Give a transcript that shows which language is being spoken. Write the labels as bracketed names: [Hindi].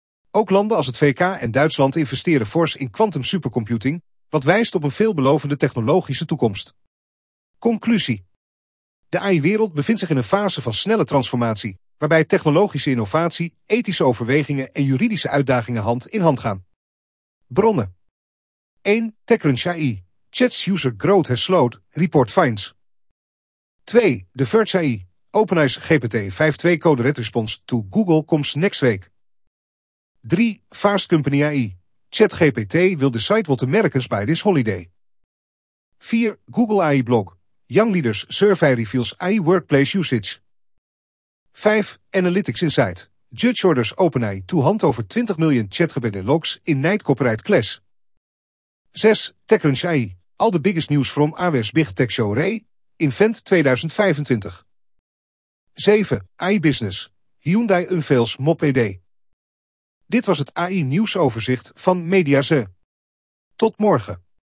[Dutch] Ook landen als het VK en Duitsland investeren fors in quantum supercomputing, wat wijst op een veelbelovende technologische toekomst. Conclusie. De AI-wereld bevindt zich in een fase van snelle transformatie, waarbij technologische innovatie, ethische overwegingen en juridische uitdagingen hand in hand gaan. Bronnen. 1. TechCrunch AI. [English] Chat's user growth has slowed, report finds. 2. The Verge AI. OpenAI's GPT 5.2 code red response to Google comes next week. 3. Fast Company AI. ChatGPT will decide what Americans buy this holiday. 4. Google AI blog. Young Leaders Survey reveals AI workplace usage. 5. Analytics Insight. Judge orders OpenAI to hand over 20 miljoen ChatGPT logs in night copyright class. 6. TechCrunch AI. All the biggest news from AWS Big Tech Show re:Invent 2025. 7. AI Business. Hyundai unveils Moped. [Dutch] Dit was het AI-nieuwsoverzicht van Mediaset. Tot morgen.